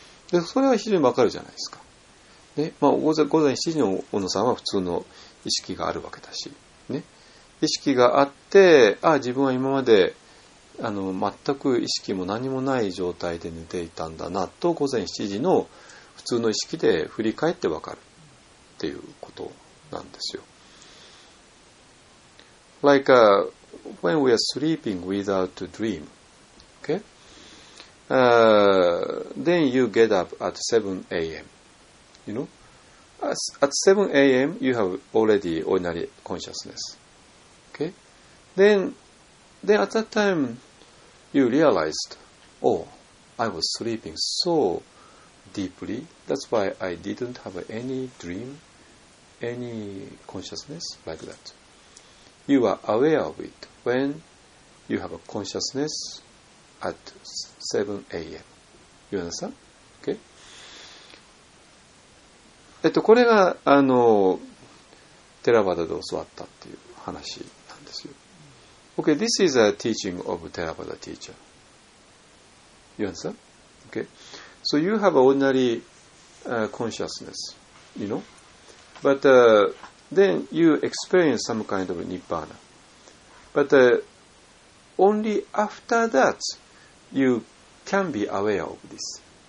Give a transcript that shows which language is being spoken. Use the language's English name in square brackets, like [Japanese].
[Japanese] でそれは非常にわかるじゃないですか。で、午前7時の小野さんは普通の意識があるわけだし、ね、意識があって、ああ自分は今まで全く意識も何もない状態で寝ていたんだなと、午前7時の普通の意識で振り返ってわかるっていうことなんですよ。 [English] Like when we are sleeping without a dream, okay? Then you get up at 7 a.m. You know? At 7 a.m. you have already ordinary consciousness, okay? Then at that time you realized, oh, I was sleeping so deeply, that's why I didn't have any dream, any consciousness like that. You are aware of it when you have a consciousness at 7 a.m. You understand? Okay? [Japanese] これがテラバダで教わったっていう話なんですよ。 [English] Okay, this is a teaching of Theravada teacher. You understand? Okay. So you have ordinary consciousness, you know. But then you experience some kind of Nibbana. But only after that you can be aware of this.